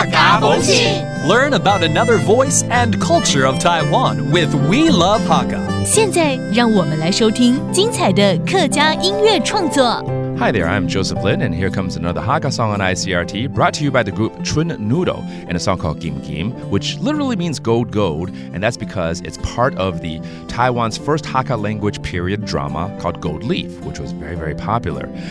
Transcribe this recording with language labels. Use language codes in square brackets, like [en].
[en] Learn about another voice and culture of Taiwan with We Love Hakka. [zh] 现在让我们来收听精彩的客家音乐创作。 [en] Hi there, I'm Joseph Lin, and here comes another Hakka song on ICRT, brought to you by the group ChunNoodle, and a song called gimgim, which literally means gold gold, and that's because it's part of the Taiwan's first Hakka language period drama called Gold Leaf, which was very, very popular.